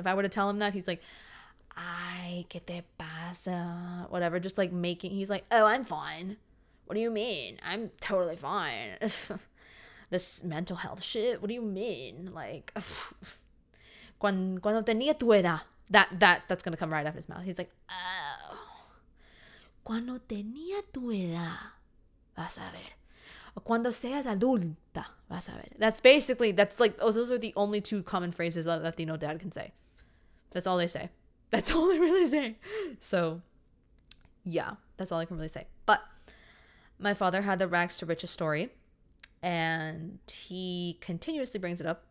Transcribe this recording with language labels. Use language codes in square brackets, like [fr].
[en] If I were to tell him that, he's like, I get the pasta, whatever, just like making, he's like, oh, I'm fine. What do you mean? I'm totally fine. This mental health shit, what do you mean? Like, [es] cuando tenía tu edad. [en] That's going to come right out of his mouth. He's like, oh. [es] Cuando tenía tu edad, vas a ver. Cuando seas adulta, vas a ver. [en] Those are the only two common phrases that a Latino dad can say. That's all they say. That's all they really say. So, yeah, that's all I can really say. But my father had the rags to riches story, and he continuously brings it up.